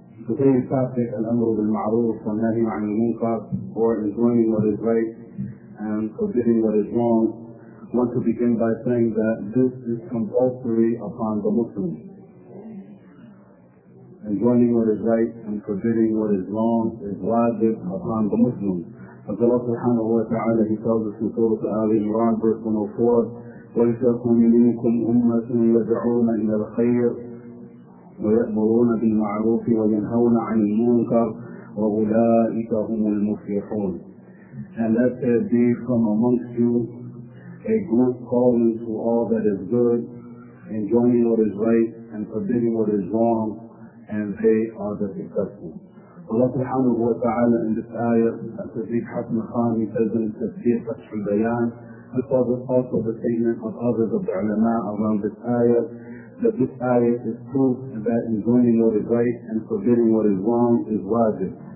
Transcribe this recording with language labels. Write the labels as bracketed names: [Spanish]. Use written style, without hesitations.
[English] Today's topic, [Arabic] al-amr bil-ma'roof, wa nahi ma'anil munkar, [English] or enjoining what is right and forbidding what is wrong. I want to begin by saying that this is compulsory upon the Muslims. Enjoining what is right and forbidding what is wrong is wajib upon the Muslims. [Arabic] As Allah subhanahu wa ta'ala, he tells us in Surah Ali Imran, verse 104, وَلِتَكُمْ مِنِكُمْ أُمَّةٌ يَدْعُونَ إِلَى الْخَيْرِ وَيَأْمُرُونَ بِالْمَعْرُوفِ وَيَنْهَوْنَ عَنِ الْمُنْكَرِ وَأُولَٰئِكَ هُمُ الْمُفْلِحُونَ. [English] And let there be from amongst you a group calling to all that is good, enjoining what is right and forbidding what is wrong, and they are the successful. Allah subhanahu wa ta'ala in this ayah, as Tariq Hasan Khan, he says in Tafsir Fathu al-Bayan, this was also the statement of others of the ulama around this ayah, that this ayah is proof that enjoining what is right and forbidding what is wrong is wajib.